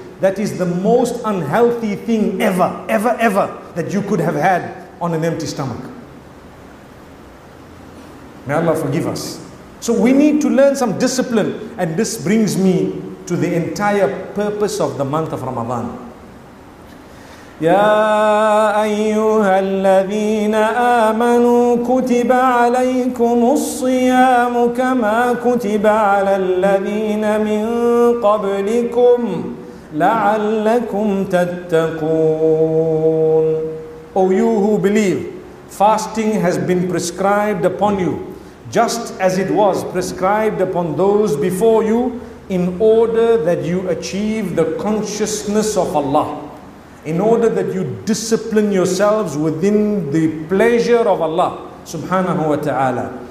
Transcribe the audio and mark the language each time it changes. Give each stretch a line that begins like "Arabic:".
English: That is the most unhealthy thing ever, ever, ever that you could have had on an empty stomach. May Allah forgive us. So we need to learn some discipline. And this brings me to the entire purpose of the month of Ramadan.
Arabic: يا أيها الذين آمنوا كتب عليكم الصيام كما كتب على الذين من قبلكم لعلكم تتقون.
English: O you who believe, fasting has been prescribed upon you, just as it was prescribed upon those before you, in order that you achieve the consciousness of Allah. In order that you discipline yourselves within the pleasure of Allah subhanahu wa ta'ala.